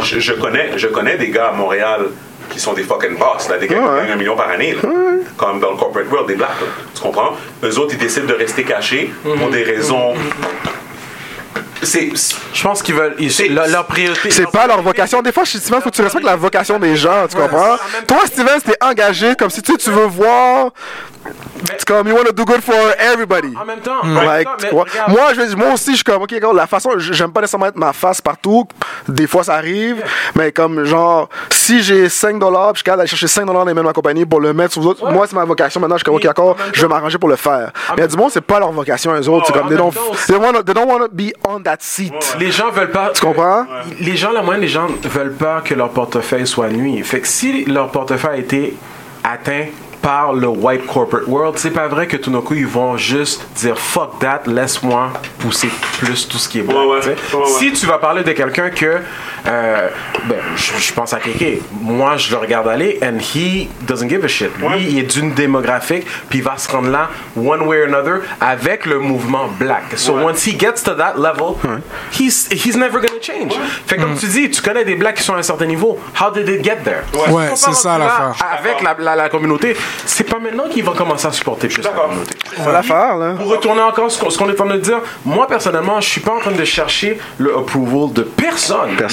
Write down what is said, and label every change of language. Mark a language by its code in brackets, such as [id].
[fr] je connais des gars à Montréal qui sont des [en] fucking boss, [fr] là, des gars qui gagnent un million par année, là, comme dans le [en] corporate world, [fr] des blacks. Tu comprends? Eux autres, ils décident de rester cachés pour des raisons. Je pense qu'ils veulent. Leur priorité. C'est pas leur vocation. Des fois, Steven, faut que tu respectes la vocation des gens, tu comprends? Toi, Steven, t'es engagé comme si tu veux voir. C'est comme, [en] you want to do good for everybody. [fr] En même temps, moi aussi, je suis comme, ok, regarde, la façon, j'aime pas nécessairement mettre ma face partout. Des fois, ça arrive. Mais comme, genre, si j'ai 5$, puis je suis capable d'aller chercher 5$ dans les mêmes compagnies pour le mettre sur vous autres, moi, c'est ma vocation. Maintenant, je suis comme, ok, d'accord, je vais m'arranger pour le faire. Mais du monde, c'est pas leur vocation, eux autres. C'est comme, [en] they don't want to be on that seat. [fr] Les gens veulent pas. Tu comprends? Les gens veulent pas que leur portefeuille soit nuit. Fait que si leur portefeuille a été atteint par le [en] white corporate world, [fr] c'est pas vrai que tout d'un coup ils vont juste dire [en] fuck that, [fr] laisse-moi pousser plus tout ce qui est black. Ouais, si tu vas parler de quelqu'un que je pense à Kéké, moi je le regarde aller [en] and he doesn't give a shit. [fr] Lui, il est d'une démographique puis il va se rendre là [en] one way or another [fr] avec le mouvement black. [en] Once he gets to that level, he's never gonna change. [fr] Ouais. Fait comme tu dis, tu connais des blacks qui sont à un certain niveau. [en] How did they get there? [fr] Ouais, c'est ça la fin. Avec la communauté. C'est pas maintenant qu'ils vont commencer à supporter plus la communauté. Faut la faire, là. Pour retourner encore ce qu'on est en train de dire, moi personnellement, je suis pas en train de chercher le approval de personne.